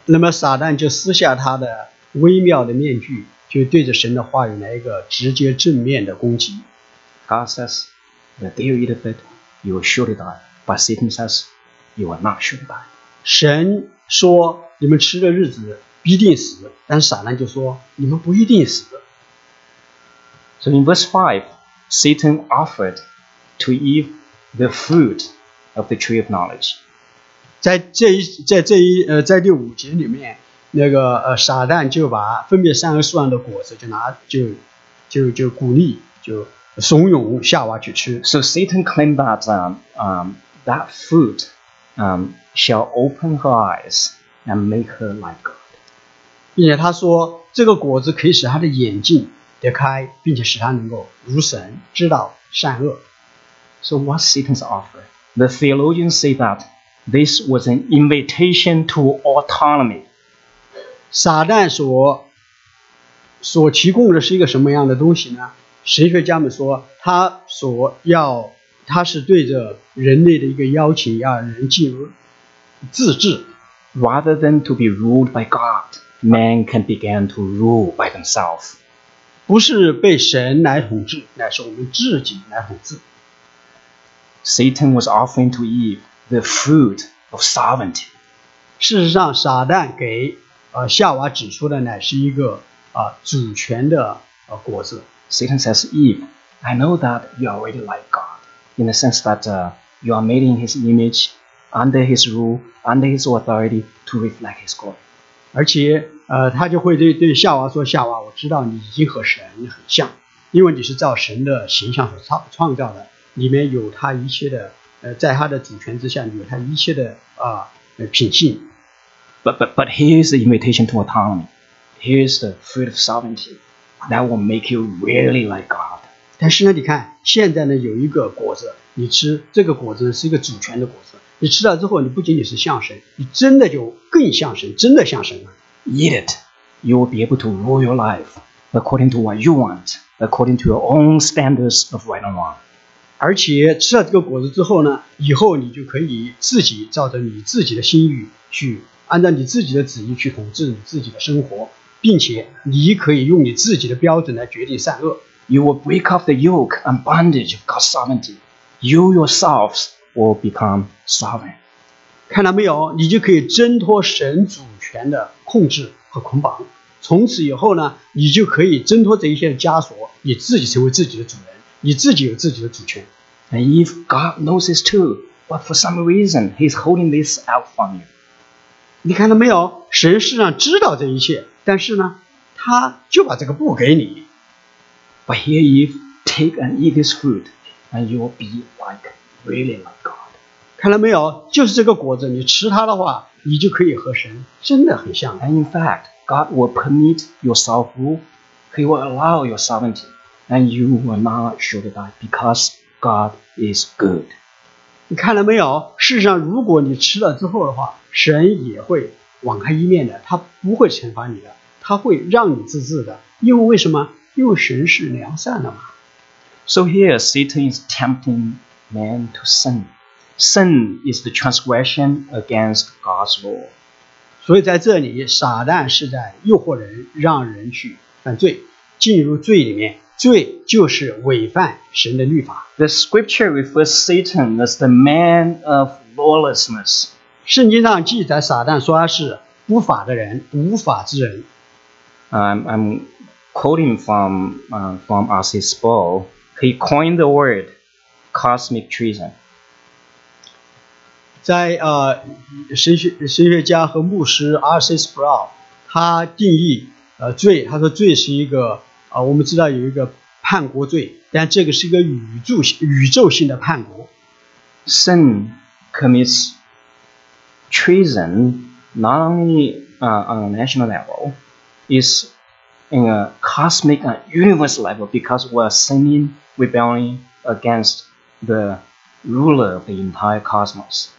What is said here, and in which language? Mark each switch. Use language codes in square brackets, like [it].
[zh] 那么撒旦就撕下他的微妙的面具，就对着神的话语来一个直接正面的攻击。 [en] God says, "The day you eat of it, you will surely die." But Satan says, "You will not surely die." [zh] 神说你们吃的日子必定死，但撒旦就说你们不一定死。 [en] So in verse 5, Satan offered to Eve the fruit of the tree of knowledge. [zh] 在第五节里面，那个撒旦就把分别善恶树上的果子就鼓励，就怂恿夏娃去吃。 [en] So Satan claimed that that fruit shall open her eyes and make her like God. [zh] 并且他说这个果子可以使他的眼睛得开，并且使他能够如神知道善恶。 [en] So what's Satan's offer? The theologians say that this was an invitation to autonomy. [zh] 撒旦所提供的是一个什么样的东西呢？神学家们说他是对着人类的一个邀请，要人进入自治。 [en] Rather than to be ruled by God,Man can begin to rule by themselves. [zh] 不是被神来统治，乃是我们自己来统治。 [en] Satan was offering to Eve the fruit of sovereignty. [zh] 事实上，撒旦给夏娃指出的乃是一个主权的果子。 [en] Satan says, Eve, I know that you are already like God, in the sense that you are made in His image, under His rule, under His authority, to reflect His glory. [zh] 而且他就会对夏娃说，夏娃，我知道你已经和神很像，因为你是照神的形象所创造的，里面有他一切的在他的主权之下有他一切的品性。 [en] But here's the invitation to autonomy. Here's the fruit of sovereignty that will make you really like God. [zh] 但是呢，你看现在呢有一个果子，你吃这个果子是一个主权的果子。你吃了之后，你不仅仅是像神，你真的就更像神，真的像神了。 [en] Eat it, you will be able to rule your life according to what you want, according to your own standards of right and wrong. [zh] 而且吃了这个果子之后呢，以后你就可以自己照着你自己的心意去，按照你自己的旨意去统治你自己的生活，并且你可以用你自己的标准来决定善恶。 [en] You will break off the yoke and bondage of God's sovereignty. You yourselves. Will become sovereign. [zh] 看到没有，你就可以挣脱神主权的控制和捆绑。从此以后呢，你就可以挣脱这一些枷锁，你自己成为自己的主人，你自己有自己的主权。 [en] And if God knows this too, but for some reason He's holding this out from you. [zh] 你看到没有，神实际上知道这一切，但是呢，他就把这个布给你。 [en] But here you take and eat this fruit, and you will be like. Really, my God. [zh] 看到没有，就是这个果子，你吃它的话，你就可以和神真的很像。 [en] And in fact, God will permit your self-rule. He will allow your sovereignty, and you will not surely die because God is good. [zh] 你看到没有？事实上，如果你吃了之后的话，神也会网开一面的，他不会惩罚你的，他会让你自治的。因为什么？因为神是良善的嘛。 [en] So here, Satan is tempting. Man to sin. Sin is the transgression against God's law. [zh] 所以在这里，撒旦是在诱惑人，让人去犯罪，进入罪里面。罪就是违反神的律法。 [en] The scripture refers Satan as the man of lawlessness, [zh] 圣经上记载撒旦说他是不法的人，无法之人。 [en] I'm quoting from R.C. Sproul. He coined the word cosmic treason. [zh] 在神学家和牧师 R.C. Sproul 他定义罪，他说罪是一个我们知道有一个叛国罪，但这个是一个宇宙性的叛国。 [en] Sin commits treason not only on a national level, it's in a cosmic and universe level because we're sinning, rebelling against the ruler of the entire cosmos.